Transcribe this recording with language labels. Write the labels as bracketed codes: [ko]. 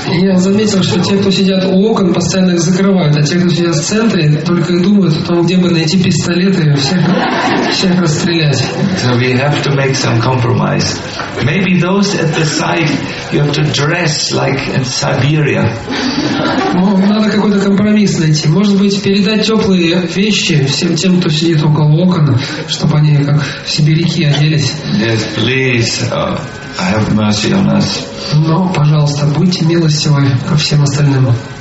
[ru] Я заметил, что те, кто сидят у окон, постоянно их закрывают, а те, кто сидят в центре, только и думают о том, где бы найти пистолеты и всех расстрелять. [en] So we have to make some compromise. Maybe those at the side, you have to dress like in Siberia. [ru] Надо какой-то компромисс найти. Может быть, передать теплые вещи всем тем, кто сидит около окон, чтобы они как сибиряки оделись. [en] Yes, please. Have mercy on us. [ru] Но, пожалуйста, будьте милостивы ко всем остальным.